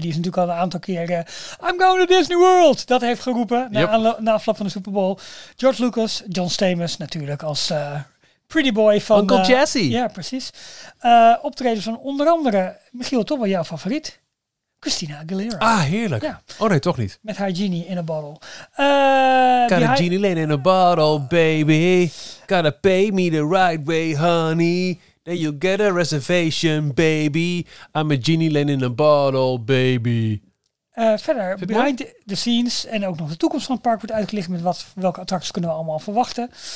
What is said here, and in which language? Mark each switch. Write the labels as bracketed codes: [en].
[nl] Die is natuurlijk al een aantal keren [en] I'm going to Disney World, [nl] dat heeft geroepen. Yep. Na afloop van de Super Bowl. George Lucas, John Stamos natuurlijk als pretty boy van Uncle Jesse. Ja, precies. Optredens van onder andere Michiel, toch wel jouw favoriet, Christina Aguilera. Ah, heerlijk. Ja. Oh nee, toch niet. Met haar genie in a bottle. [en] Got a genie lane in a bottle, baby. Gotta pay me the right way, honey. You get a reservation, baby. I'm a genie laying in a bottle, baby. [nl] Verder, [en] behind the scenes [nl] en ook nog de toekomst van het park wordt uitgelicht met welke attracties kunnen we allemaal verwachten.